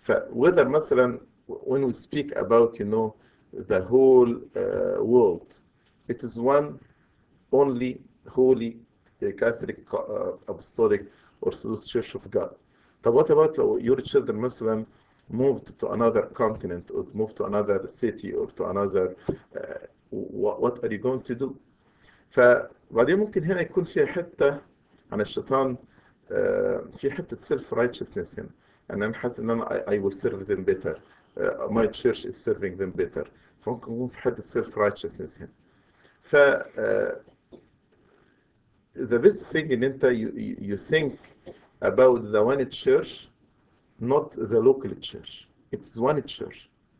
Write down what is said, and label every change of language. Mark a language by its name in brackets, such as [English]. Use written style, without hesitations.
[English] Whether مثلا when we speak about, you know, the whole world, it is one only holy Catholic apostolic Orthodox Church of God. So what about your children مثلا moved to another continent or moved to another city or to another what are you going to do? [Arabic] فبعدين ممكن هنا يكون في حتة عن الشيطان في حتة self righteousness هنا. يعني أنا حاسس إن أنا [English] I will serve them better. My church is serving them better. [Arabic] فممكن يكون في حتة self righteousness هنا. [English] ف the best thing [Arabic] إن أنت [English] you think about the one church, not the local church. It's one church.